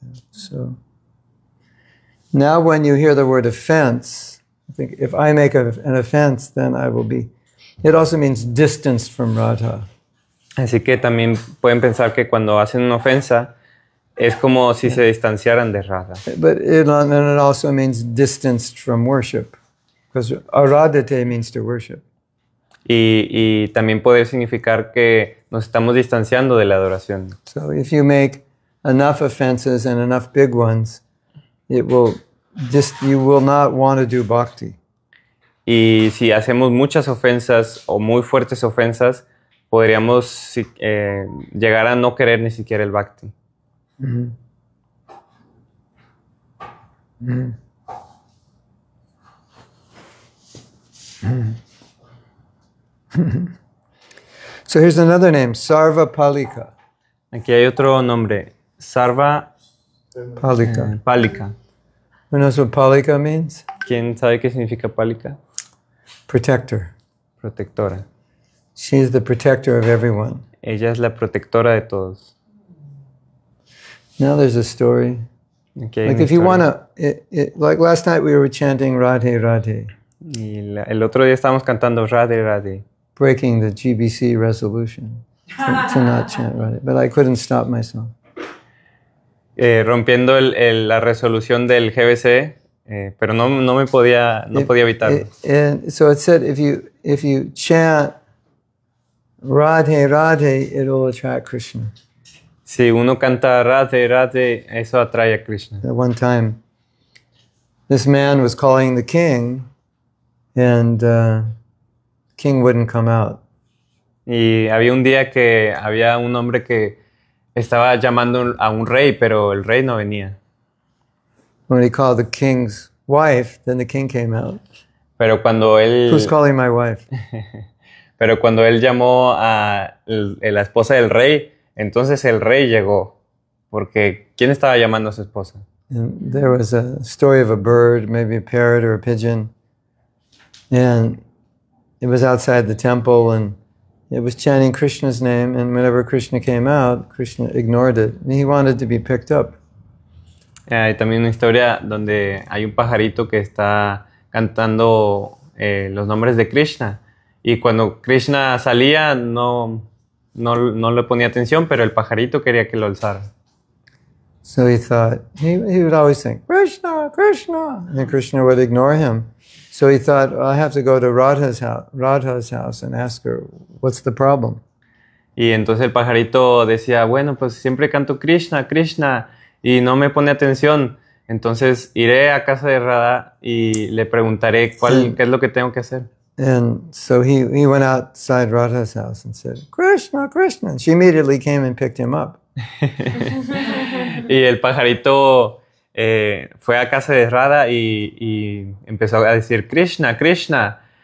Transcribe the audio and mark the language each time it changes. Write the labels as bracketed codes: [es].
[en] So, now when you hear the word offense, I think if I make an offense, then I will be. It also means distanced from Radha. [es] Así que también pueden pensar que cuando hacen una ofensa, es como si se distanciaran de Radha. [en] But it also means distanced from worship, because aradhate means to worship. [es] Y también puede significar que nos estamos distanciando de la adoración. [en] So if you make enough offenses and enough big ones, you will not want to do bhakti. [es] Y si hacemos muchas ofensas o muy fuertes ofensas, podríamos llegar a no querer ni siquiera el bhakti. Mm-hmm. [en] So here's another name, Sarva Palika. [es] Aquí hay otro nombre, Sarva Palika. Palika. [en] Who knows what Palika means? [es] ¿Quién sabe qué significa Palika? [en] Protector. [es] Protectora. [en] She's the protector of everyone. [es] Ella es la protectora de todos. [en] Now there's a story. Okay, like if you wanna, like last night we were chanting Radhe Radhe. [es] Y el otro día estábamos cantando Radhe Radhe. [en] Breaking the GBC resolution to not chant Radhe, but I couldn't stop myself. [es] Rompiendo la resolución del GBC, pero no podía evitarlo. [en] So it said if you chant Radhe Radhe, it will attract Krishna. [es] Si uno canta Radhe Radhe, eso atrae a Krishna. [en] At one time, this man was calling the king, and the king wouldn't come out. [es] Y había un día que había un hombre que estaba llamando a un rey, pero el rey no venía. [en] When he called the king's wife, then the king came out. [es] Pero cuando él... [en] Who's calling my wife? [es] Pero cuando él llamó a la esposa del rey, entonces el rey llegó, porque ¿quién estaba llamando a su esposa? [en] And there was a story of a bird, maybe a parrot or a pigeon, and it was outside the temple, and it was chanting Krishna's name, and whenever Krishna came out, Krishna ignored it, and he wanted to be picked up. [es] Hay también una historia donde hay un pajarito que está cantando los nombres de Krishna, y cuando Krishna salía, no le ponía atención, pero el pajarito quería que lo alzara. [en] So he thought, he would always think, Krishna, Krishna. And Krishna would ignore him. So he thought, I have to go to Radha's house and ask her, what's the problem? [es] Y entonces el pajarito decía, bueno, pues siempre canto Krishna, Krishna, y no me pone atención. Entonces iré a casa de Radha y le preguntaré qué es lo que tengo que hacer. [en] And so he went outside Radha's house and said, Krishna, Krishna. And she immediately came and picked him up. [es] Y el pajarito fue a casa de Radha y empezó a decir, Krishna, Krishna.